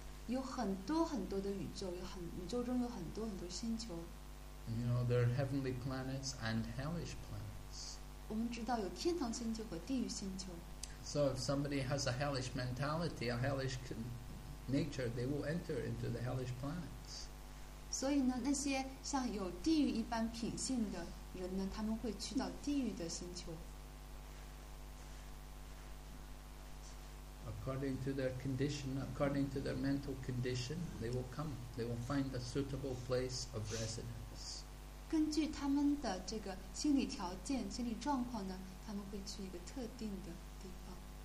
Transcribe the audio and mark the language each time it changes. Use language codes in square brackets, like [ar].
[zh] 有很多很多的宇宙，有很宇宙中有很多很多星球。 [en] You know, there are heavenly planets and hellish planets. [zh] 我们知道有天堂星球和地狱星球。 [en] So if somebody has a hellish mentality, a hellish nature, they will enter into the hellish planets. [zh] 所以呢，那些像有地狱一般品性的人呢，他们会去到地狱的星球。 [en] According to their condition, according to their mental condition, they will come. They will find a suitable place of residence. [zh] 根据他们的这个心理条件、心理状况呢，他们会去一个特定的地方。